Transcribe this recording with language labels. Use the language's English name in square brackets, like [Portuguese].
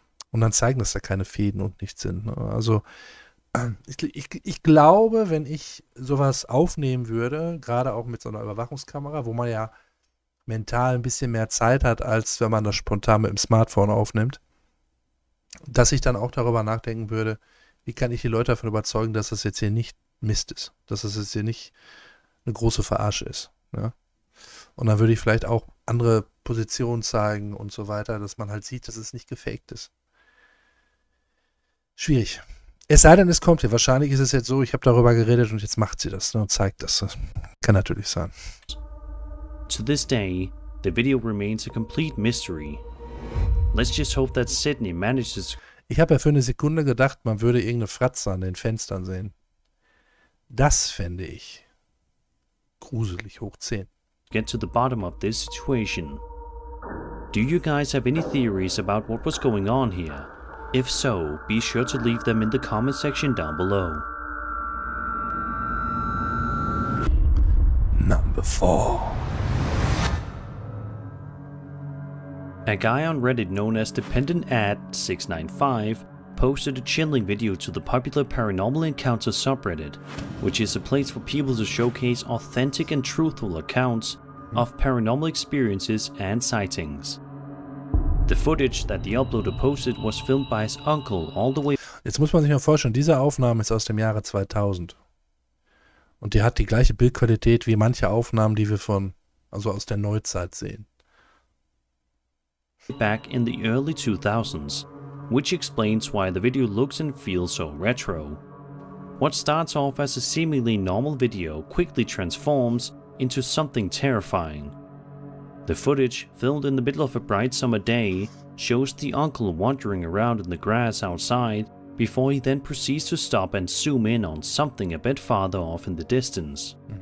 [German] Und dann zeigen, dass da keine Fäden und nichts sind. Also ich glaube, wenn ich sowas aufnehmen würde, gerade auch mit so einer Überwachungskamera, wo man ja mental ein bisschen mehr Zeit hat, als wenn man das spontan mit dem Smartphone aufnimmt, dass ich dann auch darüber nachdenken würde, wie kann ich die Leute davon überzeugen, dass das jetzt hier nicht Mist ist, dass das jetzt hier nicht eine große Verarsche ist. Ja? Und dann würde ich vielleicht auch andere Positionen zeigen und so weiter, dass man halt sieht, dass es nicht gefaked ist. Schwierig. Es sei denn, es kommt hier. Wahrscheinlich ist es jetzt so, ich habe darüber geredet und jetzt macht sie das, ne, und zeigt das. Das kann natürlich sein. [English] To this day, the video remains a complete mystery. Let's just hope that Sydney manages. [German] Ich habe ja für eine Sekunde gedacht, man würde irgendeine Fratze an den Fenstern sehen. Das fände ich gruselig hoch 10. [English] Get to the bottom of this situation. Do you guys have any theories about what was going on here? If so, be sure to leave them in the comment section down below. Number 4. A guy on Reddit known as DependentAd695 posted a chilling video to the popular Paranormal Encounters subreddit, which is a place for people to showcase authentic and truthful accounts of paranormal experiences and sightings. The footage that the uploader posted was filmed by his uncle all the way. [German] Jetzt muss man sich mal vorstellen, diese Aufnahme ist aus dem Jahre 2000. Und die hat die gleiche Bildqualität wie manche Aufnahmen, die wir von, also aus der Neuzeit sehen. [English] Back in the early 2000s, which explains why the video looks and feels so retro. What starts off as a seemingly normal video quickly transforms into something terrifying. The footage, filmed in the middle of a bright summer day, shows the uncle wandering around in the grass outside before he then proceeds to stop and zoom in on something a bit farther off in the distance.